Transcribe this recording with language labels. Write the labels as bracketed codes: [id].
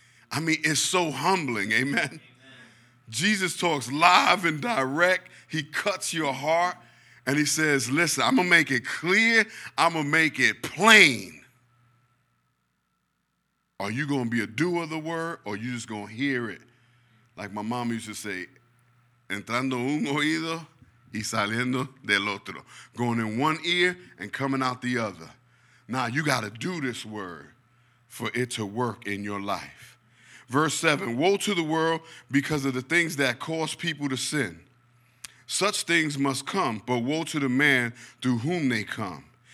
[en] I mean, it's so humbling. Amen. Jesus talks live and direct. He cuts your heart and he says, "Listen, I'm going to make it clear. I'm going to make it plain. Are you going to be a doer of the word or are you just going to hear it?" Like my mom used to say, [es] "Entrando un oído y saliendo del otro." [en] Going in one ear and coming out the other. Now you got to do this word for it to work in your life. Verse 7, "Woe to the world because of the things that cause people to sin. Such things must come, but woe to the man through whom they come.